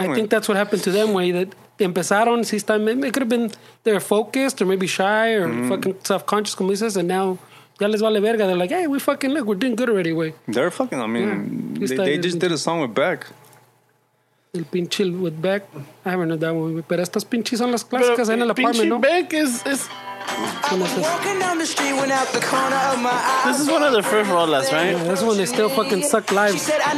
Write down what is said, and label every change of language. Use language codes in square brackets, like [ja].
[en] I think that's what happened to them, way that they [es] empezaron. [en] It could have been they're focused or maybe shy or fucking self-conscious, [es] como dices, [en] and now [es] ya les vale verga. [en] They're like, hey, we fucking look, we're doing good already, way. They're fucking, I mean, they just did a song with Beck. [es] El pinche [en] with Beck. I haven't heard that one. [es] Pero estas pinches son las clásicas en el apartamento, ¿no? [en] Beck is... This is one of the first rollers, right? Yeah, this one, they still fucking suck lives.